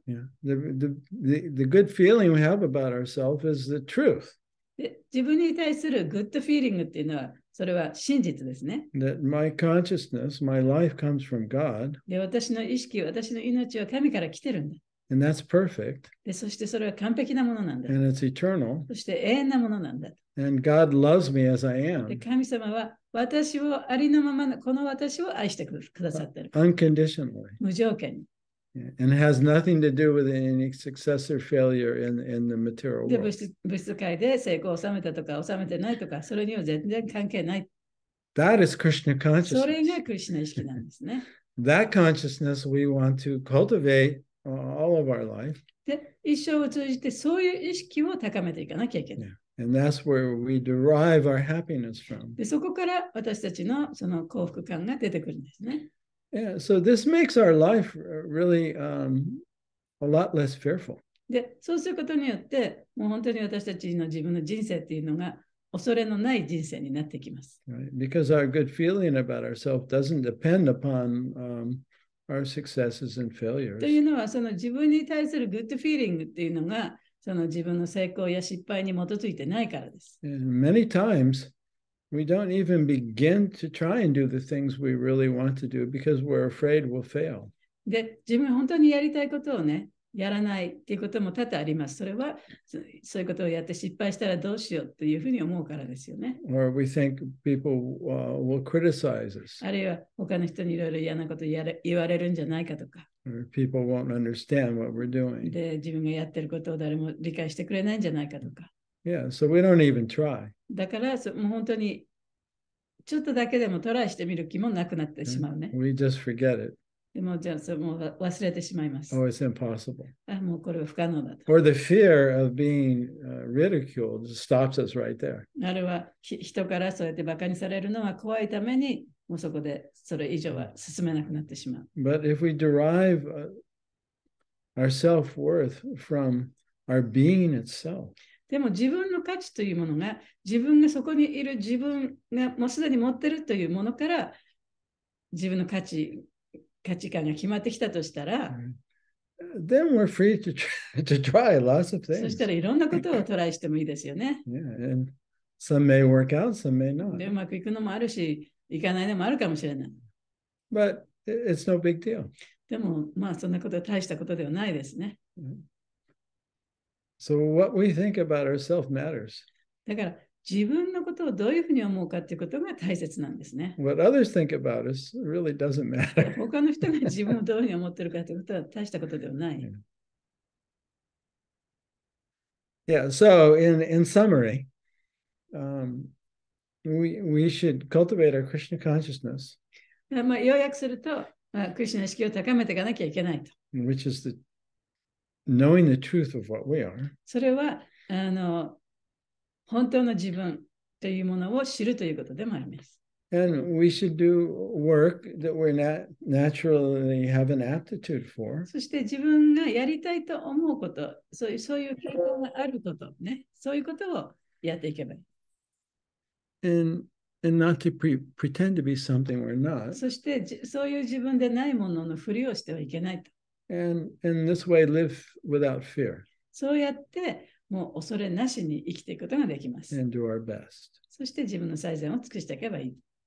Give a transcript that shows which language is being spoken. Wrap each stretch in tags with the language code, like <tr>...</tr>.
<en>Yeah. The good feeling we have about ourselves is the truth.</en> <ja>で、自分に対するグッドフィーリングっていうのはそれは真実ですね。</ja> <en>That my consciousness, my life comes from God.</en> <ja>で、私の意識、私の命は神から来てるんだ。</ja> <en>And that's perfect.</en> <ja>で、そしてそれは完璧なものなんだ。</ja> <en>And it's eternal.</en> <ja>そして永遠なものなんだ。</ja> <en>And God loves me as I am.</en> <ja>で、神様は私をありのままのこの私を愛してくださってる。</ja> <en>Unconditionally.</en> <ja>無条件に。</ja> <en>And it has nothing to do with any success or failure in the material world.</en> <ja>で、物質界で成功を収めたとか収めてないとかそれには全然関係ない。</ja> <en>That is Krishna consciousness.</en> <ja>それがクリシュナ意識なんですね。</ja> <en>That consciousness we want to cultivate all of our life.</en> <ja>で、一生を通じてそういう意識を高めていかなきゃいけない。</ja> <en>And that's where we derive our happiness from.</en> <ja>で、そこから私たちのその幸福感が出てくるんですね。</ja> <en>Yeah, so this makes our life really a lot less fearful.</en> <ja>で、そうすることによって、もう本当に私たちの自分の人生っていうのが恐れのない人生になってきます。</ja> <en>Right, because our good feeling about ourselves doesn't depend upon our successes and failures.</en> <ja>というのは、その自分に対するグッドフィーリングっていうのが、その自分の成功や失敗に基づいてないからです。</ja> <en>Many times, we don't even begin to try and do the things we really want to do because we're afraid we'll fail.</en> <ja>で、自分本当にやりたいことをね、やらないっていうことも多々あります。それは、そういうことをやって失敗したらどうしようというふうに思うからですよね。</ja> <en>Or we think people will criticize us.</en> <ja>あるいは他の人にいろいろ嫌なこと言われるんじゃないかとか。</ja> <en>Or people won't understand what we're doing.</en> <ja>で、自分がやってることを誰も理解してくれないんじゃないかとか。</ja> <en>Yeah, so we don't even try.</en> <ja>だから、もう本当にちょっとだけでもトライしてみる気もなくなってしまうね。</ja> <en>We just forget it.</en> <ja>でも、じゃあそれもう忘れてしまいます。</ja> <en>Oh, it's impossible.</en> <ja>あ、もうこれは不可能だと。</ja> <en>Or the fear of being ridiculed stops us right there.</en> <ja>あるいは人からそうやってバカにされるのは怖いために、もうそこでそれ以上は進めなくなってしまう。</ja> <en>But if we derive our self-worth from our being itself,</en> <ja>でも自分の価値というものが自分がそこにいる自分がもうすでに持ってるというものから自分の価値観が決まってきたとしたら、</ja> <en>then we're free to try lots of things.</en> <ja>そしたらいろんなことをトライしてもいいですよね。</ja> <en>Yeah, and some may work out, some may not.</en> <ja>でうまくいくのもあるし、いかないのもあるかもしれない。</ja> <en>But it's no big deal.</en> <ja>でもまあそんなことは大したことではないですね。</ja> <en>So what we think about ourselves matters.</en> <ja>だから自分のことをどういうふうに思うかということが大切なんですね。</ja> <en>What others think about us really doesn't matter.</en> <ja>他の人が自分をどういうふうに思ってるかということは大したことではない。</ja> <en>Yeah, so in summary, we should cultivate our Krishna consciousness.</en> <ja>まあ要約すると、まあ、クリシュナ意識を高めていかなきゃいけないと。</ja> <en>Which is the knowing the truth of what we are.</en> <ja>それは、本当の自分というものを知るということでもあります。</ja> <en>And we should do work that we're not naturally have an aptitude for.</en> <ja>そして自分がやりたいと思うこと、そういう傾向があることね、そういうことをやっていけばいい。</ja> <en>And not to pretend to be something we're not.</en> <ja>そしてそういう自分でないもののふりをしてはいけないと。</ja> <en>And this way live without fear.</en> <ja>そうやってもう恐れなしに生きていくことができます。</ja> <en>And do our best.</en> <ja>そして自分の最善を尽くしていけばいい。</ja>